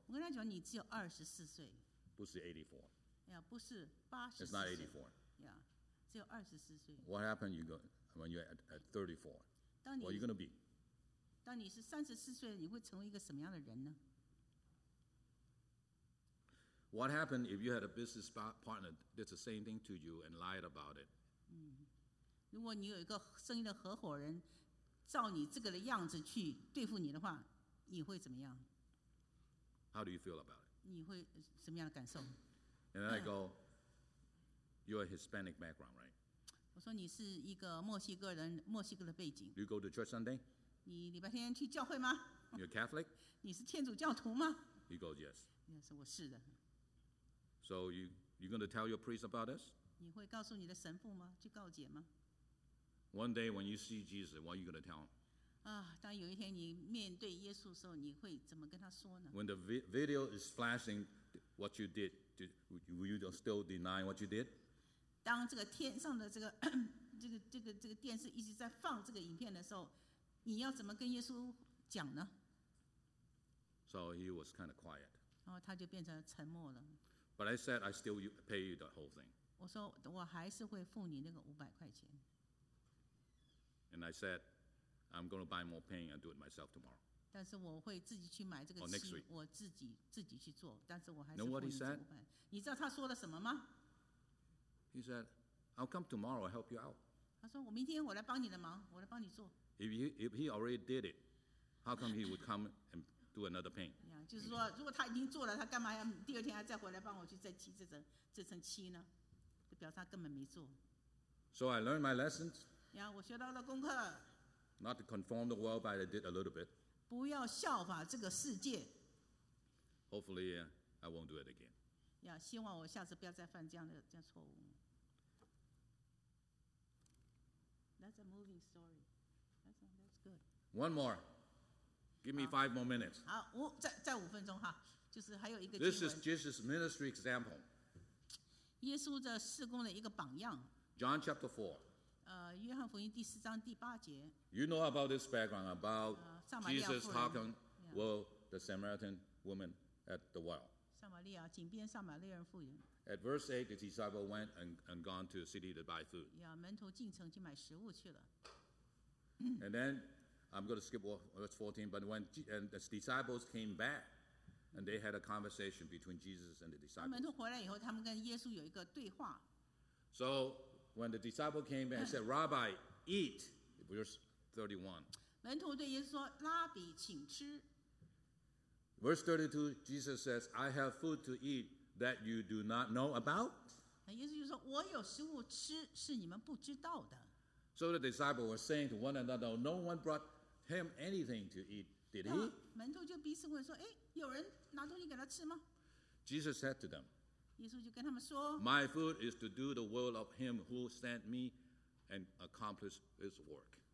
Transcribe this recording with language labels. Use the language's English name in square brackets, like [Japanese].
[Chinese] 我跟他讲，你只有24岁，不是 84. Yeah, 不是84。 [English] It's not 84. [Chinese] Yeah, 只有24岁。 [English] What happened? You go when you're at 34. [Chinese] 当你 [English] What are you going to be? [Chinese] 当你是34岁，你会成为一个什么样的人呢？ [English] What happened if you had a business partner did the same thing to you and lied about it? [Chinese] 如果你有一个生意的合伙人，照你这个的样子去对付你的话，你会怎么样？ [English] How do you feel about it? [Chinese] 你会什么样的感受？ [English] And I go, you're a Hispanic background, right? [Chinese] 我说你是一个墨西哥人，墨西哥的背景。 [English] You go to church Sunday? [Chinese] 你礼拜天去教会吗？ [English] You're Catholic? [Chinese] 你是天主教徒吗？ [English] He goes, yes. [Chinese] Yes, 我是的。 [English] So you going to tell your priest about this? [Chinese] 你会告诉你的神父吗?去告解吗? [English] One day when you see Jesus, what are you going to tell him? [Chinese] 当有一天你面对耶稣的时候，你会怎么跟他说呢? [English] When the video is flashing what you did, will you still deny what you did? [Chinese] 当这个天上的这个电视一直在放这个影片的时候，你要怎么跟耶稣讲呢? [English] So he was kind of quiet. [Chinese] 然后他就变成沉默了。 [English] But I said I still pay you the whole thing. [Chinese] 我说我还是会付你那个五百块钱。 [English] And I said I'm going to buy more paint and do it myself tomorrow. [Chinese] 但是我会自己去买这个 [English] Or next week. [Chinese] 我自己去做，但是我还是付你这五百。 [English] Know what he said? [Chinese] 你知道他说了什么吗？ [English] He said, "I'll come tomorrow. I'll help you out." [Chinese] 他说我明天我来帮你的忙，我来帮你做。 [English] If he already did it, how come he would come and do another pain? [Chinese] 就是说，如果他已经做了，他干嘛要第二天还再回来帮我去再漆这层漆呢？就表示他根本没做。 [English] So I learned my lessons. [Chinese] 呀，我学到了功课。 [English] Not to conform the world, but I did a little bit. [Chinese] 不要效法这个世界。 [English] Hopefully, I won't do it again. [Chinese] 希望我下次不要再犯这样的错误。 [English] That's a moving story. That's good. One more. Give me five more minutes. [Chinese] 好，再五分钟哈。就是还有一个经文。 [English] This is Jesus' ministry example. [Chinese] 耶稣的事工的一个榜样。 [English] John chapter 4. [Chinese] 约翰福音第四章第八节。 [English] You know about this background about Jesus talking with the Samaritan woman at the well. [Chinese] 撒玛利亚井边撒玛利亚人妇人。 [English] At verse 8, the disciples went and gone to the city to buy food. [Chinese] Yeah, 门徒进城去买食物去了。 [English] And then I'm going to skip verse 14, but when the disciples came back, and they had a conversation between Jesus and the disciples. [Chinese] 门徒回来以后，他们跟耶稣有一个对话。 [English] So when the disciple came and said, Rabbi, eat, verse 31. [Chinese] 门徒对耶稣说，拉比，请吃。 [English] Verse 32, Jesus says, I have food to eat that you do not know about. [Chinese] 耶稣就说，我有食物吃，是你们不知道的。 [English] So the disciple was saying to one another, no one brought him anything to eat, did he? [Chinese] 门徒就彼此问说，诶，有人拿东西给他吃吗？ [English] Jesus said to them, [Chinese] 耶稣就跟他们说, [English] My food is to do the will of him who sent me and accomplish his work.